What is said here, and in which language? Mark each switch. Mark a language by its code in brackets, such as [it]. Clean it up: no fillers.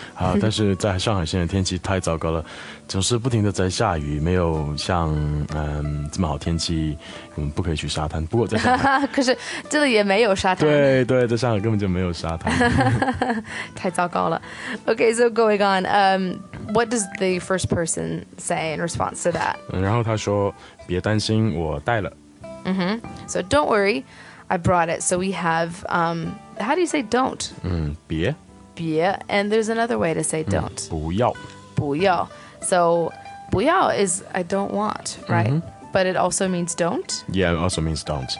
[zh] 好，但是在上海现在天气太糟糕了，总是不停的在下雨，没有像这么好天气，我们不可以去沙滩。不过在上海，可是这里也没有沙滩。对对，在上海根本就没有沙滩。太糟糕了。 [en] Okay, so going on, what does the first person say in response to that? [zh] 然后他说：“别担心，我带了。 [en] ”Mm-hmm. So don't worry. I brought it, so we have, how do you say don't? [zh] 别。 [en] 别, and there's another way to say don't. [zh] 不要。 [en] 不要。So, 不要 is I don't want, right? Mm-hmm. But it also means don't? Yeah, it also means don't.